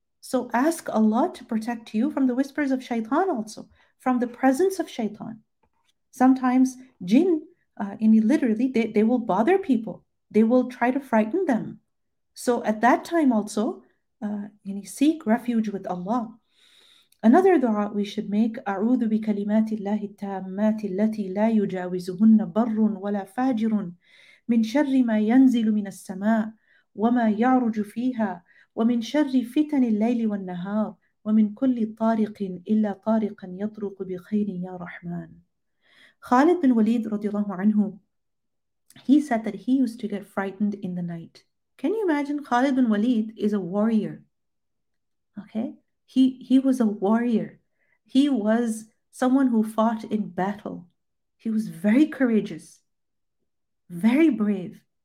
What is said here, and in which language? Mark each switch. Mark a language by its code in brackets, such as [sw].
[en] So ask Allah to protect you from the whispers of shaitan also, from the presence of shaitan. Sometimes jinn, literally, they will bother people. They will try to frighten them. So at that time also, seek refuge with Allah. Another dua we should make, [ar] أعوذ بكلمات الله التامات التي لا يجاوزهن بر ولا فاجر من شر ما ينزل من السماء وما يعرج فيها ومن شر فتن الليل والنهار ومن كل طارق إلا طارقا يطرق بخير يا رحمن. [en] خالد بن وليد [ar] رضي الله عنه, [en] he said that he used to get frightened in the night. Can you imagine? Khalid bin Walid is a warrior. Okay? He was a warrior. He was someone who fought in battle. He was very courageous, very brave.